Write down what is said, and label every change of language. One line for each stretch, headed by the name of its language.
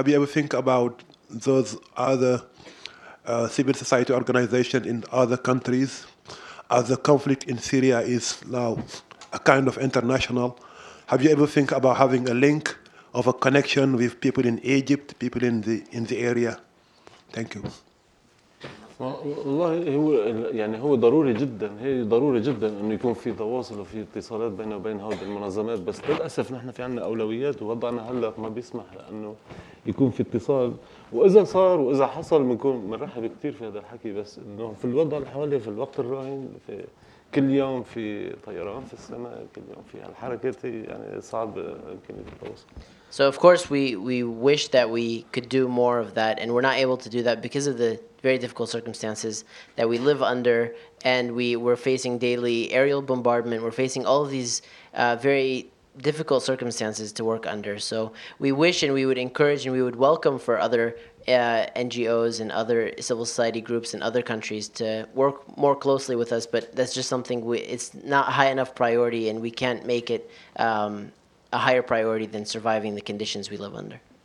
English: Have you ever think about those other civil society organization in other countries, as the conflict in Syria is now a kind of international? Have you ever think about having a link of a connection with people in Egypt, people in the area? Thank you.
Arabic: والله هو يعني هو ضروري جدا هي ضروري جدا انه يكون في تواصل وفي اتصالات بينه وبين هذه المنظمات بس للاسف نحن في عنا اولويات ووضعنا هلا ما بيسمح لانه يكون في اتصال واذا صار واذا حصل بنكون بنرحب كثير في هذا الحكي بس انه في الوضع الحالي في الوقت الراهن في كل يوم في طيران في السماء كل يوم في هالحركات يعني صعب يمكن التواصل.
English: So of course we wish that we could do more of that, and we're not able to do that because of the very difficult circumstances that we live under, and we're facing daily aerial bombardment. We're facing all of these very difficult circumstances to work under. So we wish and we would encourage and we would welcome for other NGOs and other civil society groups in other countries to work more closely with us, but that's just something, it's not high enough priority, and we can't make it a higher priority than surviving the conditions we live under.